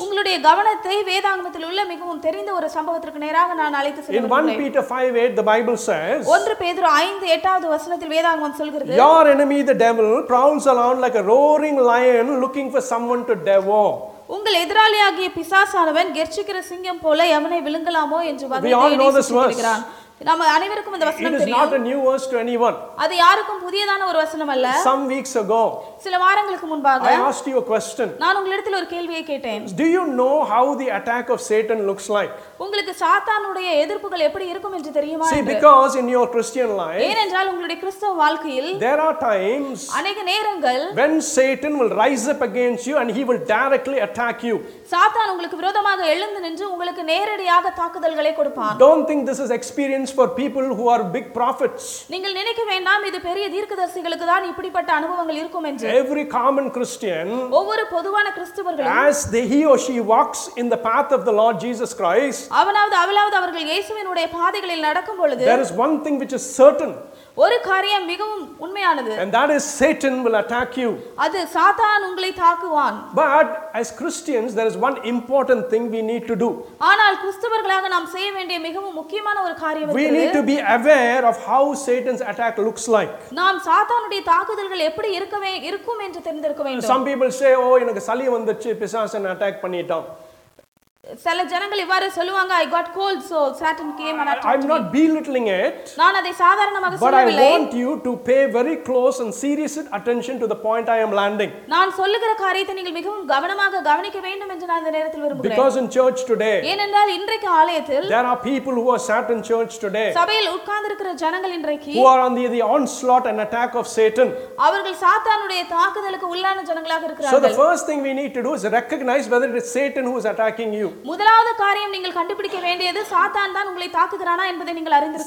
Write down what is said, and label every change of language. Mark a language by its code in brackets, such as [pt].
[ta] உங்களுடைய கவனத்தை வேதாகமத்தில் உள்ள மிகவும் தெரிந்த ஒரு சம்பவத்திற்கு நேராக நான் அழைத்து செல்கிறேன். [en] In 1 Peter 5:8 the Bible says. [ta] 1 பேதுரு 5:8 வசனத்தில் வேதாகமம் சொல்கிறது. [en] Your enemy the devil prowls around like a roaring lion looking for someone to devour. [ta] உங்கள் எதிராளியாகிய பிசாசானவன் கெர்ச்சிக்கிற சிங்கம் போல எவனை விழுங்கலாமோ என்று வதைத்திருக்கிறான். நாம் அனைவருக்கும் இந்த வசனம் தெரியும். [en] It is not a new verse to anyone. [ta] அது யாருக்கும் புதியதான ஒரு வசனம் அல்ல. [en] Some weeks ago. [ta] சில வாரங்களுக்கு முன்பாக [en] I asked you a question. [ta] நான் உங்களிடத்தில் ஒரு கேள்வியை கேட்டேன். [en] Do you know how the attack of Satan looks like? [ta] உங்களுக்கு சாத்தானுடைய எதிர்ப்புகள் எப்படி இருக்கும் என்று தெரியுமா? [en] See because in your Christian life. [ta] ஏனென்றால் உங்களுடைய கிறிஸ்தவ வாழ்க்கையில் [en] There are times. [ta] அநேக நேரங்கள் [en] when Satan will rise up against you and he will directly attack you. [ta] சாத்தான் உங்களுக்கு விரோதமாக எழுந்து நின்று உங்களுக்கு நேரடியாக தாக்குதல்களை கொடுப்பான். [en] Don't think this is experience for people who are big prophets. [ta] நீங்கள் நினைக்கவேண்டாம் இது பெரிய தீர்க்கதரிசிகளுக்கு தான் இப்படிப்பட்ட அனுபவங்கள் இருக்கும் என்று. [en] Every common Christian. [ta] ஒவ்வொரு பொதுவான கிறிஸ்தவர்களும் [en] as they he or she walks in the path of the Lord Jesus Christ. [ta] அவனாவது அவளாவது அவர்கள் இயேசுவினுடைய பாதைகளில் நடக்கும் பொழுது [en] there is one thing which is certain. [ta] ஒரு காரியம் மிகவும் உண்மையானது. [en] And that is Satan will attack you. [ta] அது சாத்தான் உங்களை தாக்குவான். [en] But as Christians there is one important thing we need to do. [ta] ஆனால் கிறிஸ்தவர்களாக நாம் செய்ய வேண்டிய மிகவும் முக்கியமான ஒரு காரியம் இருக்கிறது. [en] We need to be aware of how Satan's attack looks like. [ta] நாம் சாத்தானுடைய தாக்குதல்கள் எப்படி இருக்கவே இருக்கும் என்று தெரிந்திருக்க வேண்டும். [en] Some people say oh [ta] எனக்கு சளி வந்துச்சு பிசாசன் அட்டாக் பண்ணிட்டான். சில ஜனங்கள் இவ்வாறு சொல்லுவாங்க [en] I got cold so Satan came and attacked me. I'm not belittling it. [ta] நான் அதை சாதாரணமாக சொல்லவில்லை. [en] But I want you to pay very close and serious attention to the point I am landing. [ta] நான் சொல்லுகிற காரியத்தை நீங்கள் மிகவும் கவனமாக கவனிக்க வேண்டும் என்று நான் இந்த நேரத்தில் விரும்புகிறேன். [en] Because in church today. [ta] ஏனென்றால் இன்றைக்கு ஆலயத்தில் [en] there are people who are sat in church today. [ta] சபையில் உட்கார்ந்திருக்கிற ஜனங்கள் இன்றைக்கு [en] who are on the onslaught and attack of Satan. [ta] அவர்கள் சாத்தானுடைய தாக்குதலுக்கு உள்ளான ஜனங்களாக இருக்கிறார்கள். [en] So the first thing we need to do is recognize whether it is Satan who is attacking you. [ta] முதலாவது காரியம் நீங்கள் கண்டுபிடிக்க வேண்டியது சாத்தான் தான் உங்களை தாக்குகிறானா என்பதை நீங்கள் அறிந்திருக்க